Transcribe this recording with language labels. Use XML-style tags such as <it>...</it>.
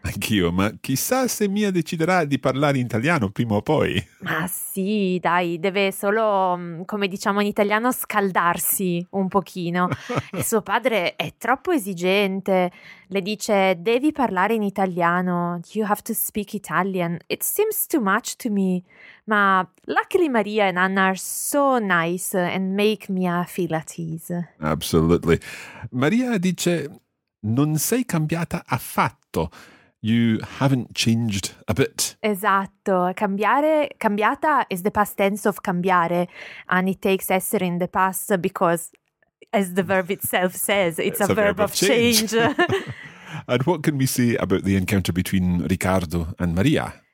<it>Anch'io, ma chissà se Mia deciderà di parlare in italiano prima o poi. Ma sì, dai, deve solo, come diciamo in italiano, scaldarsi un pochino. E suo padre è troppo esigente. Le dice, devi parlare in italiano.</it> <en>You have to speak Italian. It seems too much to me. Ma luckily Maria and Anna are so nice and make Mia feel at ease. Absolutely.</en> <it>Maria dice, non sei cambiata affatto.</it> <en>You haven't changed a bit. Esatto. Cambiata is the past tense of cambiare. And it takes essere in the past because, as the verb itself says, it's a verb of change. And what can we say about the encounter between Riccardo and Maria?</en>